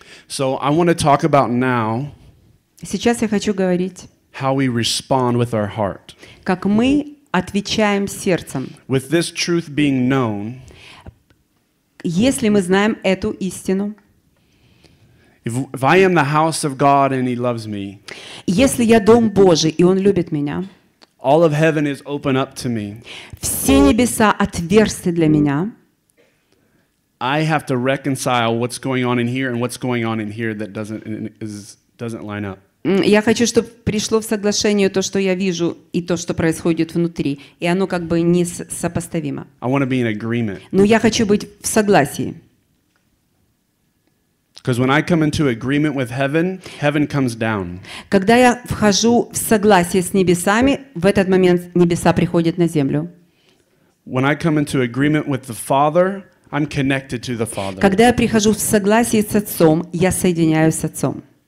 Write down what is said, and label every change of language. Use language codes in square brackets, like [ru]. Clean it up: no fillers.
[en] So I want to talk about now. [ru] Сейчас я хочу говорить. [en] How we respond with our heart. [ru] Как мы отвечаем сердцем. [en] With this truth being known. [ru] Если мы знаем эту истину, [en] if I am the house of God and He loves me, [ru] если я дом Божий и Он любит меня, [en] all of heaven is open up to me, [ru] все небеса отверсты для меня. [en] I have to reconcile what's going on in here and what's going on in here that doesn't line up. [ru] Я хочу, чтобы пришло в соглашение то, что я вижу, и то, что происходит внутри, и оно как бы не сопоставимо. [en] I want to be in agreement. [ru] Но я хочу быть в согласии. [en] Because when I come into agreement with heaven, heaven comes down. [ru] Когда я вхожу в согласие с небесами, в этот момент небеса приходят на землю. [en] When I come into agreement with the Father, I'm connected to the Father. [ru] Когда я прихожу в согласие с Отцом, я соединяюсь с Отцом.